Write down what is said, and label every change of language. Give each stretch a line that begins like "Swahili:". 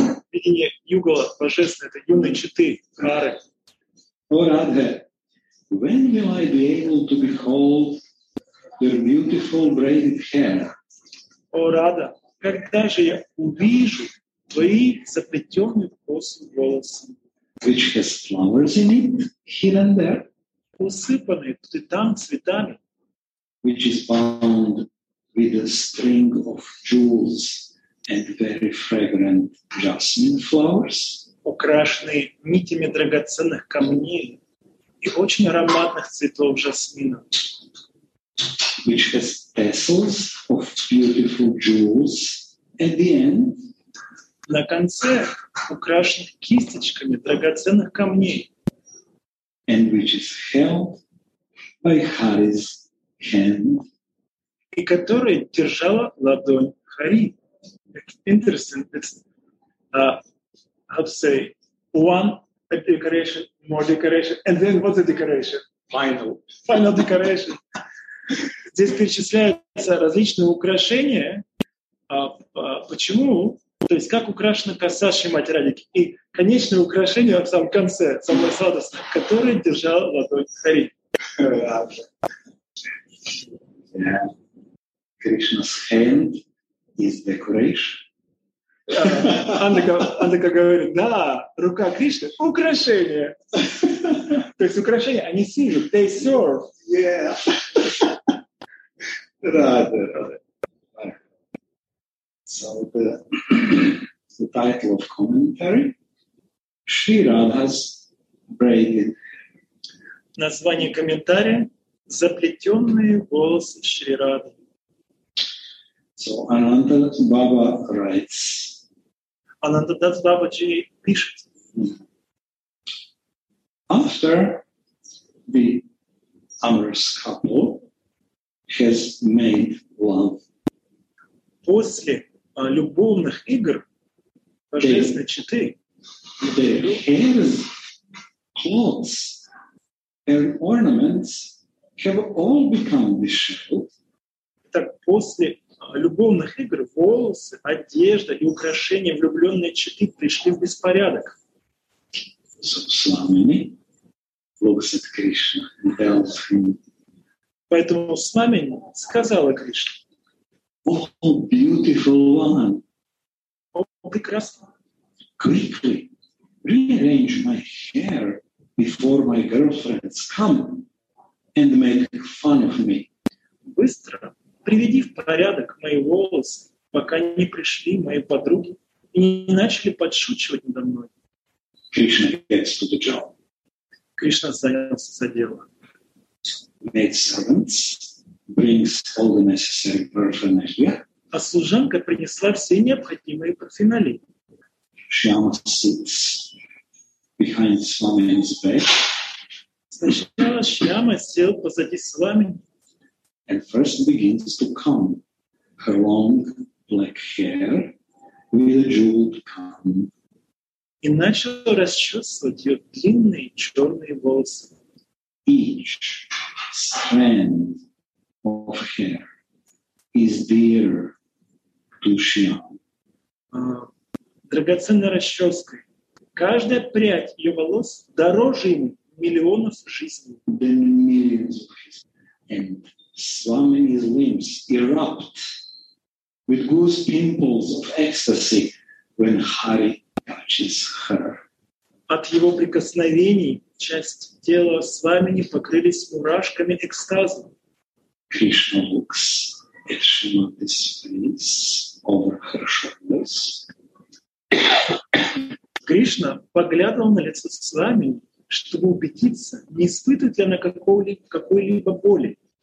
Russian: Видение Югала, божественное, это юные читы, Хары.
English: О, Радха, when will I be able to behold your beautiful braided hair?
Russian: О, Радха, когда же я увижу твои заплетенные в косу волосы?
English: Which has flowers in it, here and there?
Russian: Усыпанные тут и там цветами.
English: Which is bound with a string of jewels and very fragrant jasmine flowers.
Russian: Украшенные нитями драгоценных камней и очень ароматных цветов жасмина.
English: Which has tassels of beautiful jewels at the end.
Russian: На конце украшенных кисточками драгоценных камней.
English: And which is held by Hari's hand.
Russian: И которая держала ладонь Хари.
English: Interesting. It's, one decoration, more decoration, and then what's the decoration? Final decoration.
Russian: Здесь перечисляются различные украшения. Почему? То есть как украшена коса Шримати Радхики. И конечное украшение в самом конце, самое сладостное, которое держал ладонь Хари.
English: Кришна's hand is decoration.
Russian: Андака говорит, да, рука Кришны — украшение. То есть украшения, они служат,
English: they serve. Yeah. Radha. So the title of commentary, Shri Radha's braided.
Russian: Название комментария — заплетенные волосы Шри Радхи.
English: So Ananda Baba writes.
Russian: Ananda Das Babaji пишет.
English: After the amorous couple has made love.
Russian: После любовных игр божественной читы
English: hairs, clothes, and ornaments have all become disheveled.
Russian: Так после любовных игр волосы, одежда и украшения влюбленной читы пришли в беспорядок.
English: So, Swamini looks at Krishna and tells him.
Russian: Поэтому Свамини сказала Кришне.
English: Oh, beautiful one.
Russian: Oh, прекрасно.
English: Quickly rearrange my hair before my girlfriends come and make fun of me.
Russian: Быстро приведи в порядок мои волосы, пока не пришли мои подруги и не начали подшучивать надо мной.
English: Кришна gets to the job.
Russian: Кришна занялся за дело.
English: Maid servants brings all the necessary paraphernalia.
Russian: а служанка принесла все необходимые парфюмерии.
English: Шьяма sits behind Swami's bed.
Russian: Сначала Шьяма сел позади Свами.
English: And first begins to comb her long black hair with a jeweled comb.
Russian: И начал расчесывать ее длинные черные волосы.
English: Each strand of hair is dear to Shyam.
Russian: Драгоценной расческой. Каждая прядь ее волос дороже ему миллионов жизней.
English: Than millions of his. And Swami's limbs erupt with goose pimples of ecstasy when Hari touches her.
Russian: От его прикосновений часть тела Свамини покрылись мурашками экстаза.
English: Krishna looks at Shrimati's face over her shoulders.
Russian: Кришна поглядывал на лицо Свамини, чтобы убедиться, не испытывает ли она какой-либо боли.